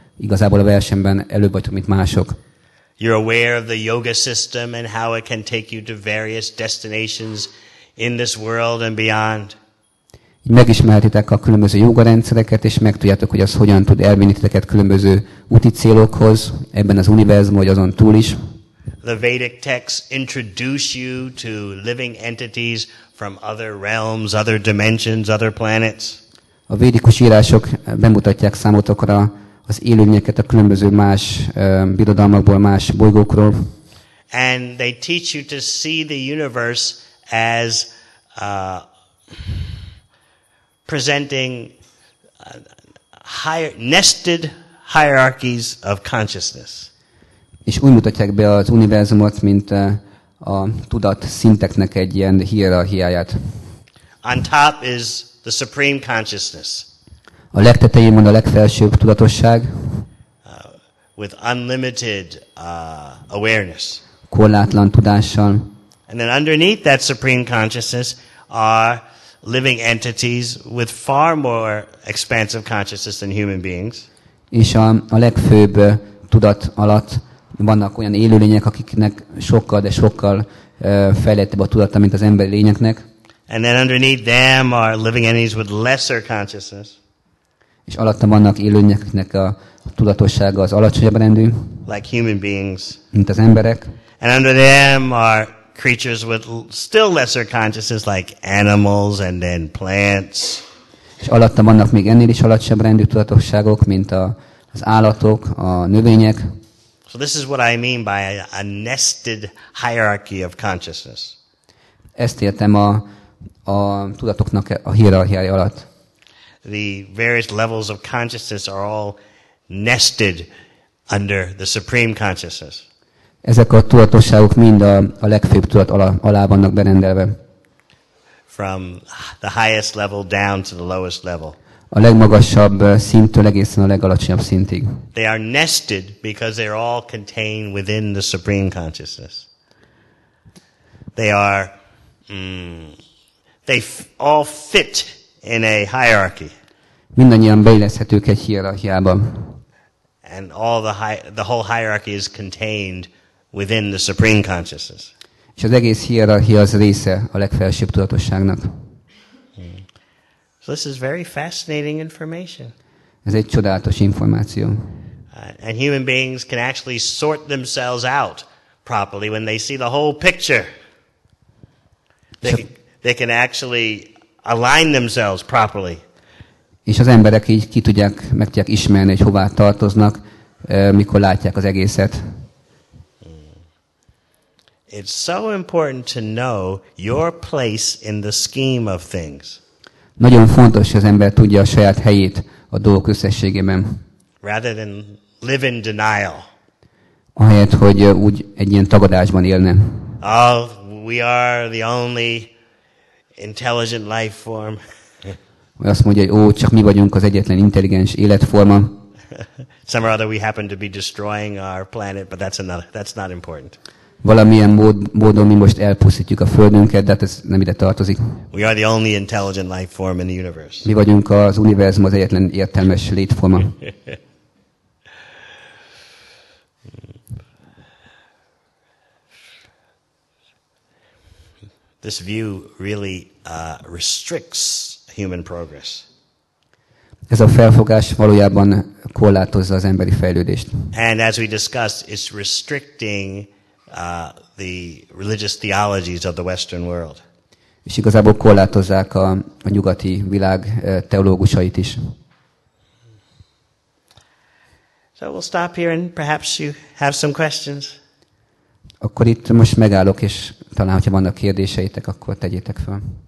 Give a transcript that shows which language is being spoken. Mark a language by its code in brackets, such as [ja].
[hu] Igazából a versenyben előbb vagytok, mint mások. [en] You're aware of the yoga system and how it can take you to various destinations in this world and beyond. [hu] Megismerhetitek a különböző jogarendszereket, és megtudjátok, hogy az hogyan tud elvinni titeket különböző úti célokhoz, ebben az univerzumban, vagy azon túl is. [en] The Vedic texts introduce you to living entities from other realms, other dimensions, other planets. [hu] A védikus írások bemutatják számotokra az élőlényeket a különböző más birodalmakból, más bolygókról. [en] And they teach you to see the universe as presenting higher, nested hierarchies of consciousness. [hu] És úgy mutatják be az univerzumot, mint a tudat szinteknek egy ilyen hierarchiáját. [en] On top is the supreme consciousness. [hu] A legtetején van a legfelsőbb tudatosság. [en] With unlimited awareness. [hu] Korlátlan tudással. [en] And then underneath that supreme consciousness are living entities with far more expansive consciousness than human beings. [hu] És a legfőbb tudat alatt vannak olyan élőlények, akiknek sokkal, de sokkal fejlettebb a tudata, mint az emberi lényeknek. [en] And then underneath them are living entities with lesser consciousness. [hu] És alatta vannak élőlényeknek a tudatossága az alacsonyabb rendű. [en] Like human beings. [hu] Mint az emberek. [en] And under them are creatures with still lesser consciousness, like animals and then plants. [hu] És alatta vannak még ennél is alacsonyabb rendű tudatosságok, mint az állatok, a növények. [en] So this is what I mean by a nested hierarchy of consciousness. [hu] Ezt értem a tudatoknak a hierarchiája alatt. [en] The various levels of consciousness are all nested under the supreme consciousness. [hu] Ezek a tudatosságok mind a legfőbb tudat alá vannak berendelve. [en] From the highest level down to the lowest level. [hu] A legmagasabb szinttől egészen a legalacsonyabb szintig. [en] They are nested because they are all contained within the supreme consciousness. They are all fit in a hierarchy. [hu] Mindannyian beilleszthetők egy hierarchiába. [en] And all the whole hierarchy is contained within the supreme consciousness. [hu] És az egész hierarchia az része a legfelsőbb tudatosságnak. [en] So this is very fascinating information. [hu] Ez egy csodálatos információ. [en] And human beings can actually sort themselves out properly when they see the whole picture. They can actually align themselves properly. [hu] És az emberek így ki tudják, meg tudják ismerni, hogy hová tartoznak, mikor látják az egészet. [en] It's so important to know your place in the scheme of things. [hu] Nagyon fontos, hogy az ember tudja a saját helyét a dolgok összességében. [en] Rather than live in denial. [hu] Ahelyett, hogy úgy egy ilyen tagadásban élne. [en] Oh, we are the only intelligent life form. [hu] Vagy azt mondja, hogy ó, csak mi vagyunk az egyetlen intelligens életforma. [en] Some or other we happen to be destroying our planet, but that's not important. [hu] Valamilyen módon mi most elpusztítjuk a Földünket, de hát ez nem ide tartozik. [en] We are the only intelligent life form in the universe. [hu] Mi vagyunk az univerzum az egyetlen értelmes létforma. [en] This view really restricts human progress. [hu] Ez a felfogás valójában korlátozza az emberi fejlődést. [en] And as we discussed, it's restricting the religious theologies of the Western world. [hu] És igazából korlátozzák a nyugati világ teológusait is. [en] So we'll stop here and perhaps you have some questions. [hu] Akkor itt most megállok, és talán, hogyha vannak kérdéseitek, akkor tegyétek fel.